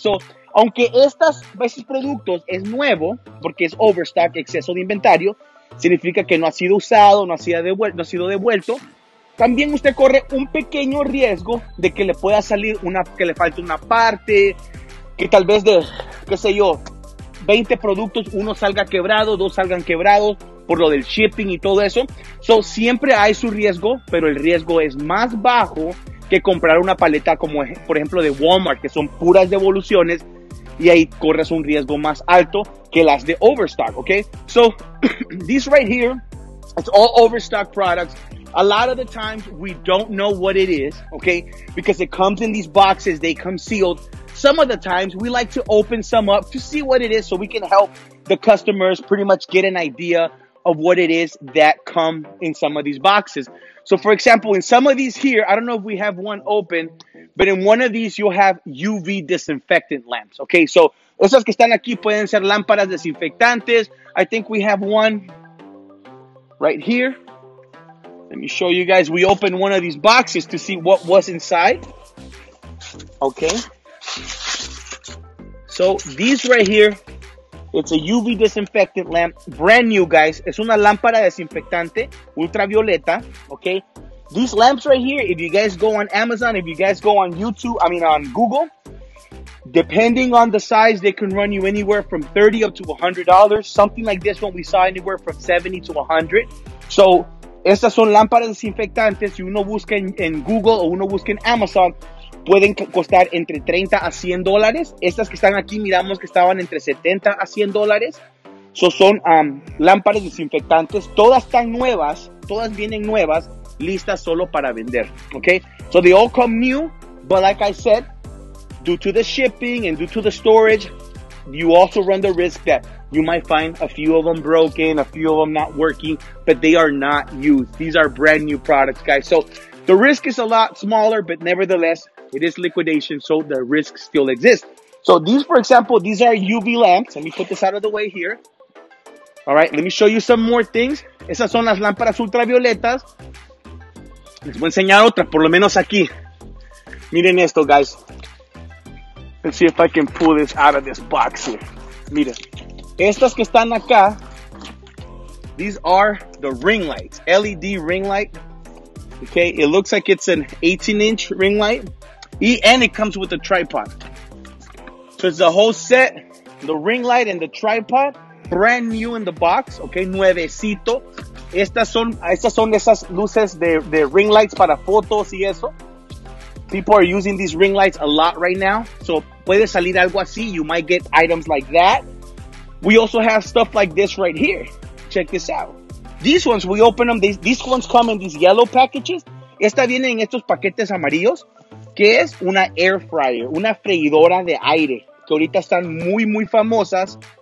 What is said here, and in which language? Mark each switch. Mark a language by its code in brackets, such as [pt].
[es] So aunque estas veces productos es nuevo, porque es overstock, exceso de inventario, significa que no ha sido usado, no ha sido devuelto, también usted corre un pequeño riesgo de que le pueda salir una, que le falte una parte, que tal vez de, qué sé yo, 20 productos, uno salga quebrado, dos salgan quebrados por lo del shipping y todo eso. So, siempre hay su riesgo, pero el riesgo es más bajo que comprar una paleta como, por ejemplo, de Walmart, que son puras devoluciones, y ahí corres un riesgo más alto que las de overstock, okay? [en] So, this right here, it's all overstock products. A lot of the times, we don't know what it is, okay? Because it comes in these boxes, they come sealed. Some of the times, we like to open some up to see what it is so we can help the customers pretty much get an idea of what it is that come in some of these boxes. So, for example, in some of these here, I don't know if we have one open, but in one of these, you'll have UV disinfectant lamps, okay? [es] So, esas que están aquí pueden ser lámparas desinfectantes. [en] I think we have one right here. Let me show you guys. We opened one of these boxes to see what was inside. Okay. So these right here, it's a UV disinfectant lamp. Brand new, guys. [es] Es una lámpara desinfectante ultravioleta. Okay. [en] These lamps right here, if you guys go on Amazon, if you guys go on YouTube, I mean on Google, depending on the size, they can run you anywhere from $30 up to $100. Something like this one we saw anywhere from $70 to $100. [es] So estas son lámparas desinfectantes. Si uno busca en Google o uno busca en Amazon, pueden costar entre $30 a $100. Estas que están aquí, miramos que estaban entre $70 a $100. So son lámparas desinfectantes. Todas están nuevas. Todas vienen nuevas, listas solo para vender. Okay? [en] So they all come new. But like I said, due to the shipping and due to the storage, you also run the risk that you might find a few of them broken, a few of them not working, but they are not used. These are brand new products, guys. So the risk is a lot smaller, but nevertheless, it is liquidation, so the risk still exists. So these, for example, these are UV lamps. Let me put this out of the way here. All right, let me show you some more things. [es] Esas son las lámparas ultravioletas. Les voy a enseñar otra, por lo menos aquí. Miren esto, guys. [en] Let's see if I can pull this out of this box here. [es] Miren. Estas que están acá, [en] these are the ring lights, LED ring light. Okay, it looks like it's an 18-inch ring light. And it comes with a tripod. So it's the whole set, the ring light and the tripod, brand new in the box. [es] Okay, nuevecito. Estas son esas luces de ring lights para fotos y eso. [en] People are using these ring lights a lot right now. [es] So puede salir algo así. [en] You might get items like that. We also have stuff like this right here. Check this out. These ones, we open them. These ones come in these yellow packages. [es] Esta viene en estos paquetes amarillos, que es una air fryer, una freidora de aire, que ahorita están muy, muy famosas.